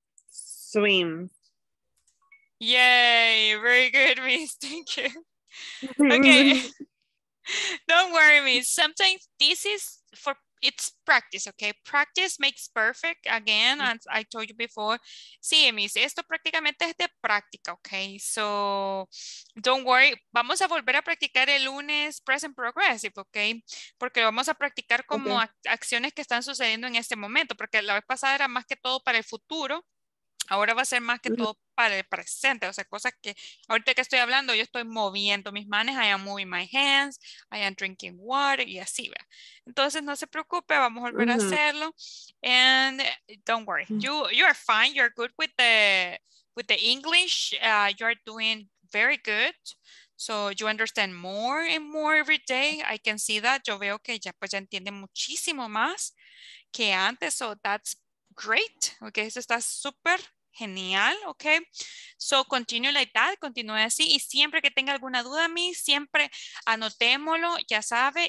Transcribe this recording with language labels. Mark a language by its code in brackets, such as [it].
[en] swim. Yay, very good, Miss. Thank you. Okay. Don't worry, Miss. Sometimes this is for it's practice, okay? Practice makes perfect, again, as I told you before. [es] Sí, Miss, esto prácticamente es de práctica, [en] okay? So, don't worry. [es] Vamos a volver a practicar el lunes present progressive, okay? Porque vamos a practicar como acciones que están sucediendo en este momento. Porque la vez pasada era más que todo para el futuro. Ahora va a ser más que todo para el presente. O sea, cosas que, ahorita que estoy hablando, yo estoy moviendo mis manos. [en] I am moving my hands. I am drinking water. [es] Y así va. Entonces, no se preocupe. Vamos a volver a hacerlo. [en] And don't worry. You are fine. You're good with the English. You are doing very good. So you understand more and more every day. I can see that. [es] Yo veo que ya pues ya entiende muchísimo más que antes. [en] So that's great. [es] Okay, eso está súper genial. [en] Okay, so continue like that. [es] Continúe así. Y siempre que tenga alguna duda, a mí siempre anotémoslo, ya sabe.